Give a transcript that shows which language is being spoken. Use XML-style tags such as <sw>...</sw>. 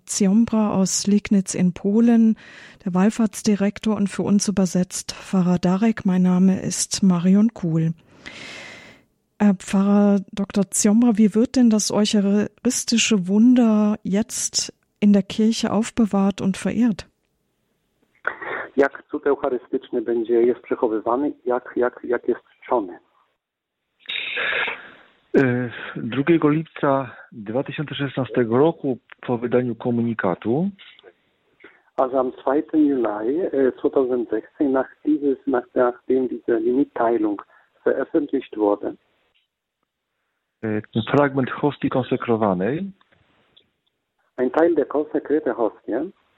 <de>Ziombra aus Liegnitz in Polen, der Wallfahrtsdirektor und für uns übersetzt Pfarrer Darek. Mein Name ist Marion Kuhl. Pfarrer Dr. Ziombra, wie wird denn das eucharistische Wunder jetzt in der Kirche aufbewahrt und verehrt?</de> <pl>Jak cud eucharystyczny będzie jest przechowywany, jak jest czczony? 2 lipca 2016 roku po wydaniu komunikatu.</pl> <de>Also am 2. Juli 2016 nachdem diese Mitteilung veröffentlicht wurde.</de> <pl>Ten fragment hostii konsekrowanej.</pl> <de>Ein Teil der konsekrierten Hostie.</de>